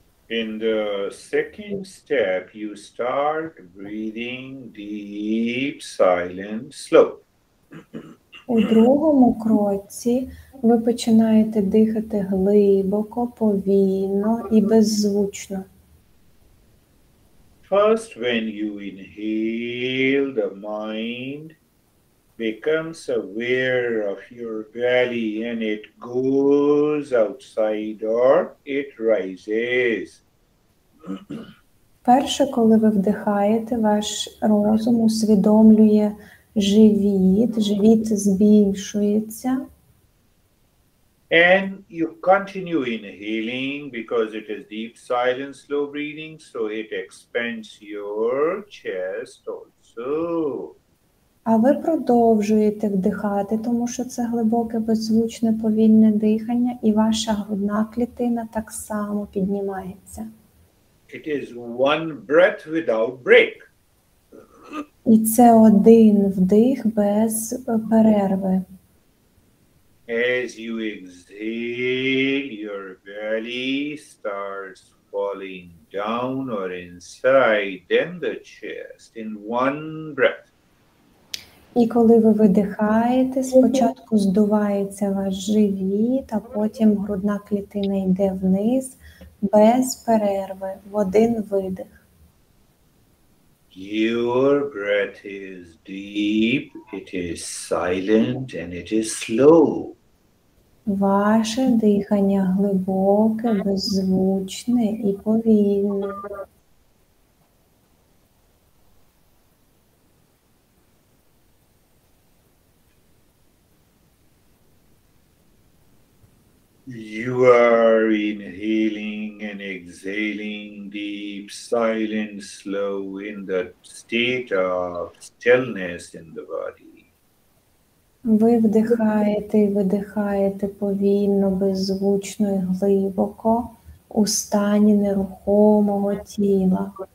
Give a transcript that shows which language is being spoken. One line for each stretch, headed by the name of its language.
English: In the second step, you start breathing deep, silent, slow.
Ukrainian: У другому кроці ви починаєте дихати глибоко, повільно і беззвучно.
English: First, when you inhale, the mind becomes aware of your belly and it goes outside or it rises.
Ukrainian: Перше, коли ви вдихаєте, ваш розум усвідомлює живіт, живіт збільшується.
English: And you continue inhaling because it is deep, silent, slow breathing, so it expands your chest also.
Ukrainian: А ви продовжуєте вдихати, тому що це глибоке, беззвучне, повільне дихання, і ваша грудна клітина так само піднімається.
English: It is one breath without break.
Ukrainian: І це один вдих без перерви.
English: As you exhale, your belly starts falling down or inside, then the chest in one breath.
Ukrainian: І коли ви видихаєте, спочатку здувається ваш живіт, а потім грудна клітина йде вниз без перерви, в один видих.
English: Your breath is deep, it is silent and it is slow.
Ukrainian: Ваше дихання глибоке, беззвучне і повільне.
English: You are inhaling and exhaling deep, silent, slow in the state of stillness in the body.
Ukrainian: Ви вдихаєте і видихаєте повільно, беззвучно і глибоко у стані нерухомого тіла.